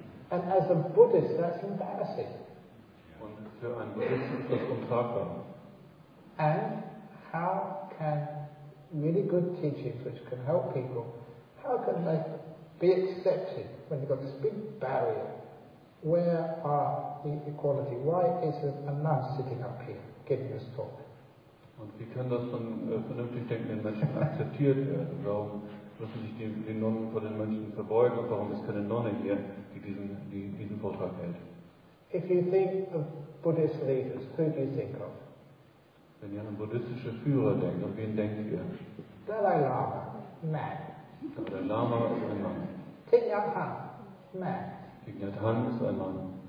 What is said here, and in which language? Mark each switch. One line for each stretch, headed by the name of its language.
English: And as a Buddhist, that's embarrassing.
German: Und für einen Buddhisten ist das untragbar.
English: And how can really good teachings, which can help people, how can they be accepted when you've got this big barrier? Where are the equality? Why is a nun sitting up here giving this talk?
German: Und wie kann das von vernünftig denkenden Menschen akzeptiert werden? Warum müssen sich die Nonnen vor den Menschen verbeugen? Und warum ist keine Nonne hier, die diesen Vortrag hält?
English: If you think of Buddhist leaders, who do you think of?
German: Wenn ihr an buddhistische Führer denkt, an wen denkt ihr?
English: Dalai Lama, man.
German: Dalai Lama ist ein Mann.
English: Thich Nhat Hanh, man.
German: Thich Nhat Hanh ist ein Mann.